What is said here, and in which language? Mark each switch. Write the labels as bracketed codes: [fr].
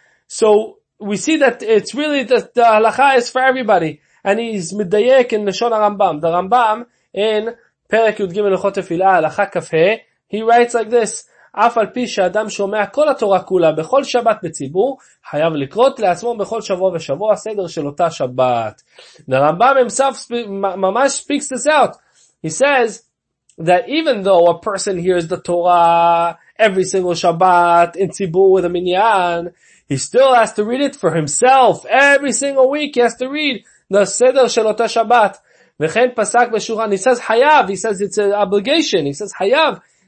[en] So we see that it's really that the halacha is for everybody. And he's Middayek in Lashon HaRambam. The Rambam in Perek Yud Gimel Luchot Tefillah, Halacha Kafhe, he writes like this, [he] אף על פי שאדם שומע כל התורה כולה בכל שבת בציבור, חייב לקרות לעצמו בכל שבוע ושבוע הסדר של אותה שבת. [en] The Rambam himself ממש speaks this out. He says that even though a person hears the Torah every single Shabbat in Tzibur with a Minyan, he still has to read it for himself. Every single week he has to read the Seder Shel Ota Shabbat. [he] V'chein pasak b'shuran. [en] He says Hayav. He says it's an obligation. He says Hayav.